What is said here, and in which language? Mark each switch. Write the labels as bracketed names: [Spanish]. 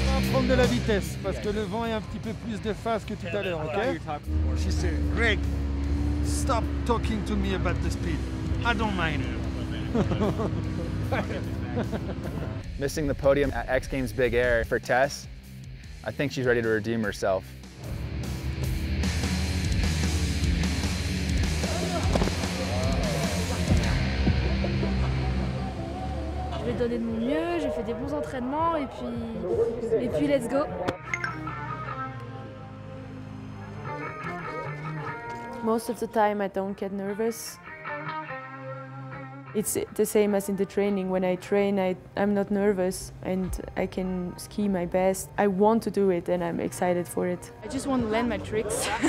[French] Prendre de la vitesse parce que le vent est un petit peu plus de face que tout à l'heure, ok? [English] She said, Greg, stop talking to me about the speed. I don't mind. Missing the podium at X Games Big Air for Tess, I think she's ready to redeem herself. [French] J'ai donné de mon mieux, j'ai fait des bons entraînements et puis [English] let's go. Most of the time I don't get nervous. It's the same as in the training. When I train, I'm not nervous and I can ski my best. I want to do it and I'm excited for it. I just want to learn my tricks.